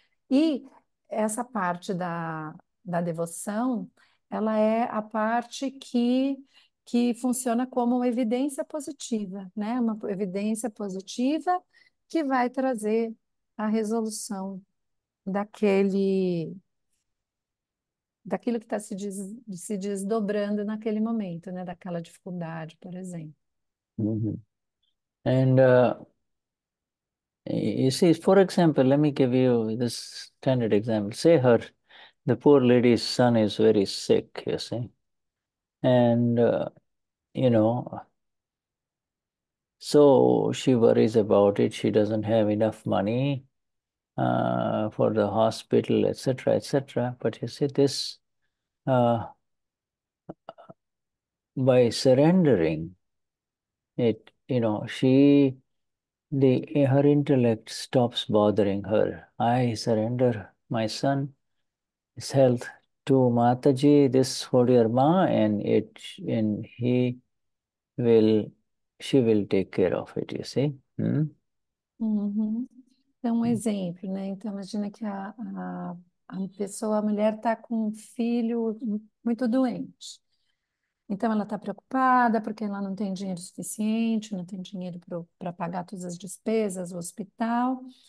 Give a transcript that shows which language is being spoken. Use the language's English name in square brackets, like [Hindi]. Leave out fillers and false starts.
[Portuguese] E essa parte da devoção, ela é a parte que funciona como uma evidência positiva, né? Uma evidência positiva que vai trazer a resolução daquilo que está se desdobrando naquele momento, né? Daquela dificuldade, por exemplo. [English] And you see, for example, let me give you this standard example. Say the poor lady's son is very sick, you see. And so she worries about it. She doesn't have enough money for the hospital, etc., etc. But you see, this by surrendering, it, she, the her intellect stops bothering her. I surrender my son, his health to Mataji, this Hodiyar Ma, and he will She will take care of it, you see? [Portuguese] Então, um exemplo, né? Então, imagina que a mulher está com um filho muito doente. Então, ela está preocupada porque ela não tem dinheiro suficiente, não tem dinheiro para pagar todas as despesas, o hospital.